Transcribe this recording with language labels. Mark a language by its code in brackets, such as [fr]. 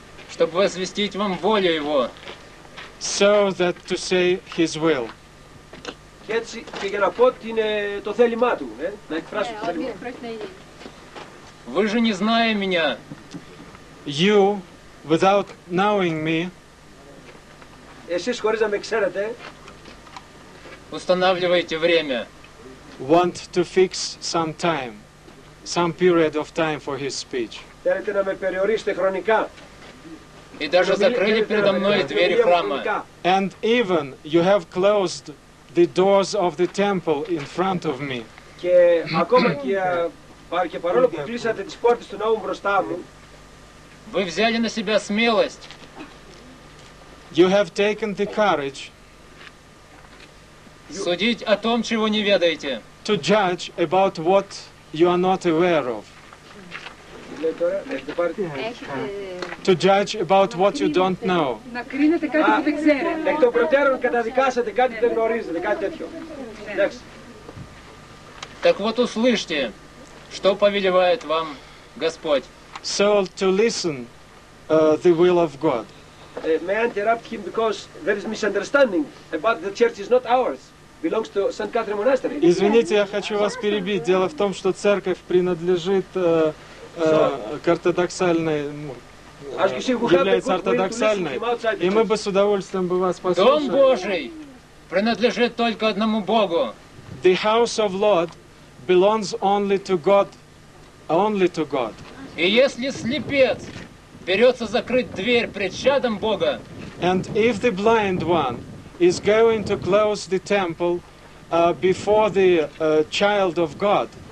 [ru] Чтобы возвестить вам волю Его. [en] So that to say His will. [el] Έτσι και για να πω την, το θέλημά του, να εκφράσω το θέλημά του. [ru] Вы же не зная меня. [en] You, without knowing me. [el] Εσείς χωρίς να με ξέρετε. [ru] Устанавливаете время. [en] Want to fix some time, some period of time for his speech. [el] Θέλετε να με περιορίσετε χρονικά. [ru] И даже закрыли передо мной двери храма. [en] And even you have closed the doors of the temple in front of me. [ru] Вы взяли на себя смелость. [en] You have taken the courage [ru] судить о том, чего не ведаете. [en] To judge about what you are not aware of. To judge about what you don't know. Так вот услышьте, что повелевает вам Господь. So to listen the will of God. May I interrupt him because there is misunderstanding about the church is not ours. Belongs to St. Catherine Monastery. [ru] Извините, я хочу вас перебить. Дело в том, что церковь принадлежит к ортодоксальной, является ортодоксальной, и мы бы с удовольствием бы вас послушали. Дом Божий принадлежит только одному Богу. [en] The house of Lord belongs only to God, only to God. [ru] И если слепец берется закрыть дверь пред чадом Бога, [en] and if the blind one is going to close the temple before the child of God,